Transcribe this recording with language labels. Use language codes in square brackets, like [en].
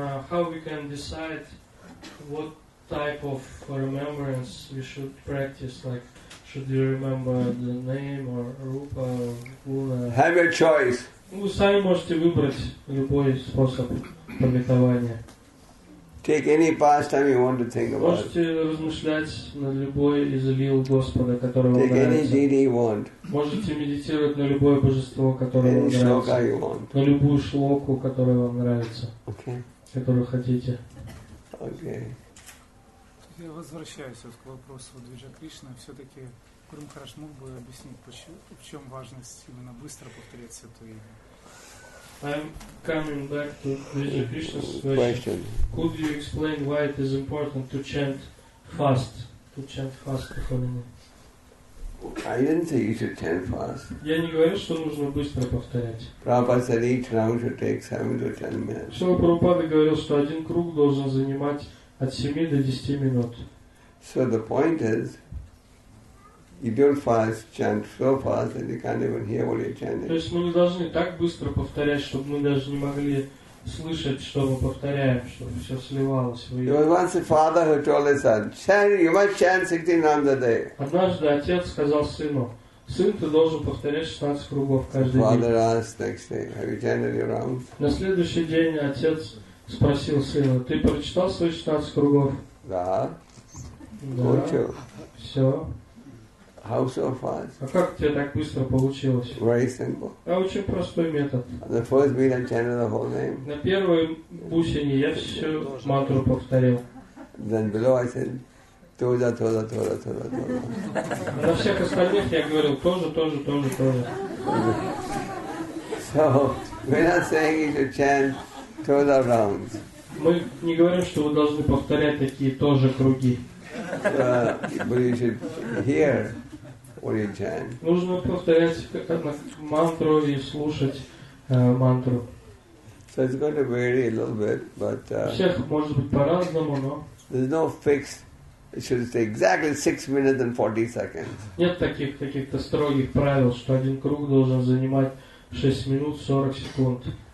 [en] How we can decide what type of remembrance we should practice, like should you remember the name or Rupa or Guna? Have a choice. [ru] Вы сами можете выбрать любой способ памятования. [en] Take any pastime you want to think about. [ru] Можете размышлять на любой из лил Господа, которого [en] Take any deity you want. [ru] Можете медитировать на любое божество, которое вам нравится. [en] You want. [ru] На любую шлоку, которая вам нравится. [en] Okay. [ru] Которую хотите. [en] Okay. [ru] Я возвращаюсь вот к вопросу Двиджа Кришны. Все-таки Гуру Махарадж мог бы объяснить, почему, в чем важность именно быстро повторять святое имя? [en] I'm coming back to Vijaya Krishna's question. Could you explain why it is important to chant fast? To chant fast the holy name. I didn't say you should chant fast. [ru] Я не говорю, что нужно быстро повторять. [en] Prabhupada said each round should take 7 to 10 minutes. [ru] Шрила Прабхупада говорил, что один круг должен занимать от 7 до 10 минут. [en] So the point is. You don't fast, chant so fast that you can't even hear what you're chanting. [ru] То есть мы не должны так быстро повторять, чтобы мы даже не могли слышать, что мы повторяем, чтобы все сливалось. [en] There was once a father who told his son, "Chant, you must chant 16 times a day." [ru] Однажды отец сказал сыну, сын, ты должен повторять 16 кругов каждый день. [en] Father asked next day, "Have you chanted your rounds?" [ru] На следующий день отец спросил сына, ты прочитал свои 16 кругов? Да. Да. Все. [en] How so fast? [ru] А как у тебя так быстро получилось? [en] Very simple. [ru] А очень простой метод. [en] The first beat I chanted the whole name. [ru] На первой бусине я всю мантру повторил. [en] Then below I said, [ru] тоже, тоже, тоже, тоже, тоже. На всех остальных я говорил тоже, тоже, тоже, тоже. So we're not saying you should chant тоже rounds. Мы не говорим, что вы должны повторять такие тоже круги. [en] But you should hear. What do you chant? [ru] Нужно повторять мантру и слушать мантру. [en] So it's going to vary a little bit, but [ru] всех может быть по-разному, но [en] there's no fixed. It should take exactly 6 minutes and 40 seconds. [ru] Нет таких-то строгих правил, что один круг должен занимать 6 минут 40 секунд.